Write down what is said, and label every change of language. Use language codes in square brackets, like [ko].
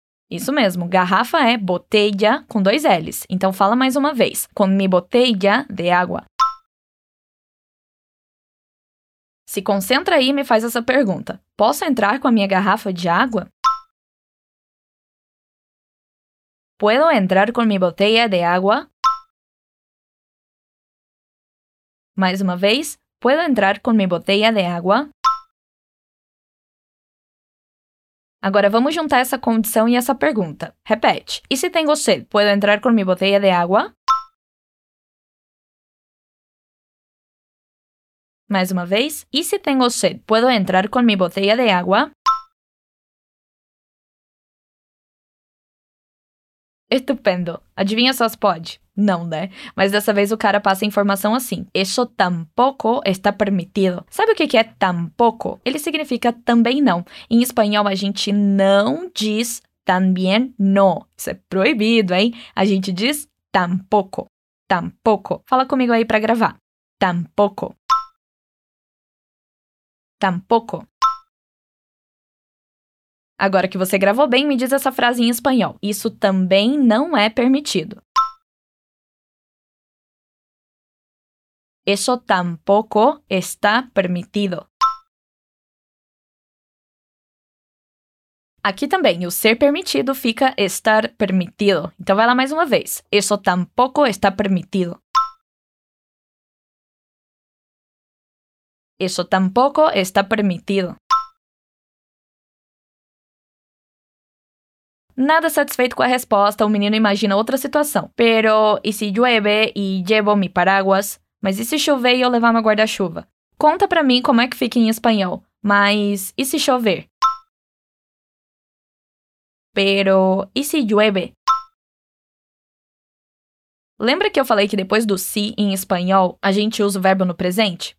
[pt] Isso mesmo, garrafa é botella com dois L's. Então, fala mais uma vez. [es] Con mi botella de agua. [pt] Se concentra aí e me faz essa pergunta. Posso entrar com a minha garrafa de água? [es] Puedo entrar con mi botella de agua? [pt] Mais uma vez. [es] Puedo entrar con mi botella de agua? [pt] Agora, vamos juntar essa condição e essa pergunta. Repete. [es] E se tengo sed, puedo entrar con mi botella de agua? [pt] Mais uma vez. [es] E se tengo sed, puedo entrar con mi botella de agua? Estupendo. [pt] Adivinha só se pode? Não, né? Mas dessa vez o cara passa a informação assim. [es] Eso tampoco está permitido. [pt] Sabe o que é tampoco? Ele significa também não. Em espanhol, a gente não diz [es] también no. [pt] Isso é proibido, hein? A gente diz tampoco. Tampoco. Fala comigo aí pra gravar. Tampoco. [es] Tampoco. [pt] Agora que você gravou bem, me diz essa frase em espanhol. Isso também não é permitido. [es] Eso tampoco está permitido. [pt] Aqui também, o ser permitido fica estar permitido. Então, vai lá mais uma vez. [es] Eso tampoco está permitido. Eso tampoco está permitido. [pt] Nada satisfeito com a resposta, o menino imagina outra situação. [es] Pero, ¿y si llueve y llevo mi paraguas? [pt] Mas e se chover e eu levar meu guarda-chuva? Conta pra mim como é que fica em espanhol. [es] Mas, ¿y si chover? Pero, ¿y si llueve? [pt] Lembra que eu falei que depois do si em espanhol, a gente usa o verbo no presente?